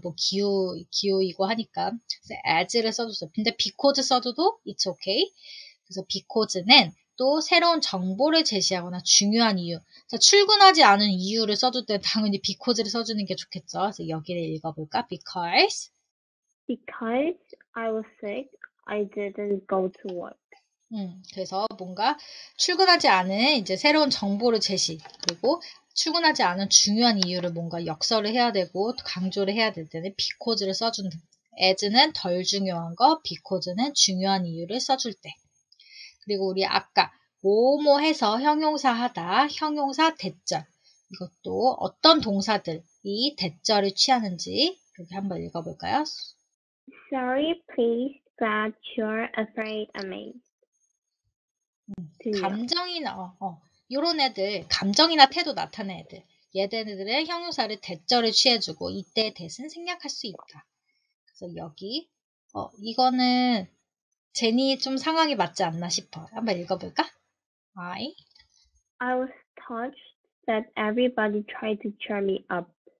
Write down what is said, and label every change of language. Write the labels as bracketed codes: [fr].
[ko] 뭐, 기후이고 하니까. 그래서 as를 써줬어요. 근데 because 써줘도 [en] it's okay. [ko] 그래서 because는 또 새로운 정보를 제시하거나 중요한 이유. 출근하지 않은 이유를 써줄 때 당연히 because를 써주는 게 좋겠죠. 그래서 여기를 읽어볼까? [en] because. Because I was sick, I didn't go to work. [ko] 그래서 뭔가 출근하지 않은 이제 새로운 정보를 제시, 그리고 출근하지 않은 중요한 이유를 뭔가 역설을 해야 되고 강조를 해야 될 때는 because를 써준다. as는 덜 중요한 거, because는 중요한 이유를 써줄 때. 그리고 우리 아까 뭐뭐 해서 형용사 하다, 형용사 대절. 이것도 어떤 동사들이 대절을 취하는지 여기 한번 읽어볼까요? [en] Sorry, please, that you're afraid of me. 들려. [ko] 감정이나 요런 애들 감정이나 태도 나타내 애들 얘네들은 형용사를 대절을 취해주고 이때 대신 생략할 수 있다. 그래서 여기 이거는 제니 좀 상황이 맞지 않나 싶어. 한번 읽어볼까? I [en] I was touched that everybody tried to cheer me up.